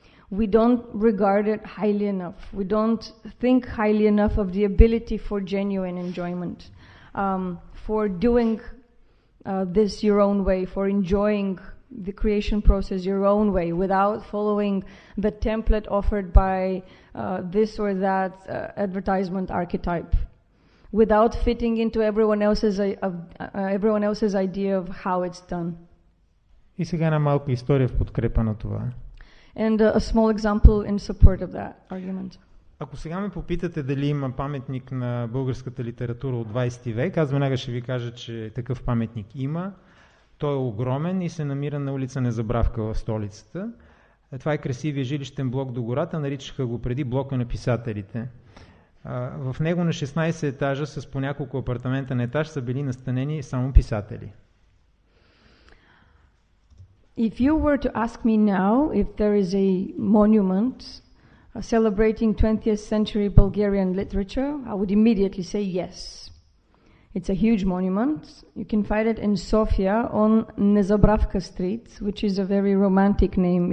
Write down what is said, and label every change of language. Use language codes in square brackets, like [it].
[en] We don't regard it highly enough. We don't think highly enough of the ability for genuine enjoyment, for doing this your own way, for enjoying the creation process your own way without following the template offered by this or that advertisement archetype, without fitting into everyone else's idea of how it's done. [bg] И сега една малка история в подкрепа на това. [en] And a small example in support of that argument. [bg] Ако сега ме попитате дали има паметник на българската литература от 20 век, аз веднага ще ви кажа, че такъв паметник има. Той е огромен и се намира на улица Незабравка в столицата. Това е красивия жилищен блок до гората, наричаха го преди блока на писателите. В него на 16 етажа с по няколко апартамента на етаж са били настанени само писатели. [en] If you were to ask me now if there is a monument celebrating 20th century Bulgarian literature, I would immediately say yes. It's a huge monument. You can find it in Sofia on Nezabravka Street, which is a very romantic name.